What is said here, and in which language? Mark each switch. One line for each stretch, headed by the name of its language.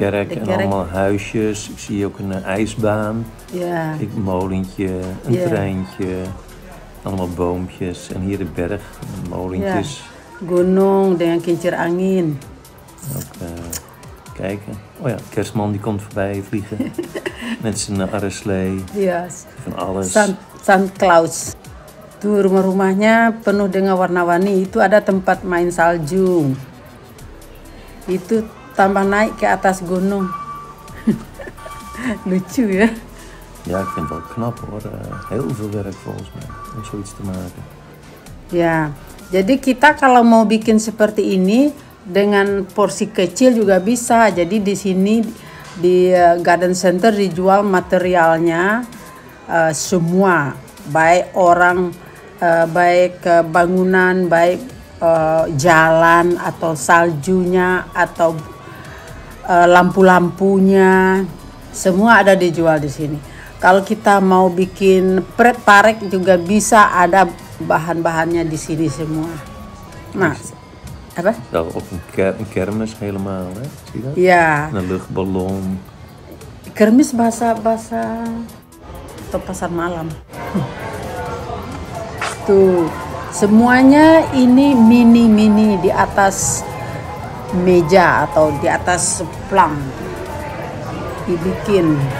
Dutch: Kerk en allemaal huisjes. Ik zie ook een ijsbaan. Ja. Een molentje, een treintje. Allemaal boompjes en hier de berg, molentjes.
English: Yeah.
Indonesian: Gunung dengan kincir angin.
Dutch: Ook kijken. Oh ja, kerstman die komt voorbij vliegen. Met zijn arreslee.
English: Yes.
Dutch: Van alles.
English: Santa Claus.
Indonesian: Tuh, rumah-rumahnya penuh dengan warna-warni. Itu ada tempat main salju. Itu tambah naik ke atas gunung. Lucu ya.
Dutch: Ja, ik vind het wel knap hoor. Heel veel werk volgens mij om zoiets te maken.
Indonesian: Ja, jadi kita kalau mau bikin seperti ini dengan porsi kecil juga bisa. Jadi di sini di Garden Center dijual materialnya semua, baik orang, baik bangunan, baik jalan atau saljunya atau lampu-lampunya, semua ada dijual di sini. Kalau kita mau bikin pre-parek juga bisa, ada bahan-bahannya di sini semua. Nah, apa?
Dutch: Ja, op een kermis helemaal, hè? Zie je dat? Ja. Een luchtballon.
Indonesian: Kermis bahasa atau pasar malam. Tuh, semuanya ini mini-mini di atas meja atau di atas plang. Dibikin.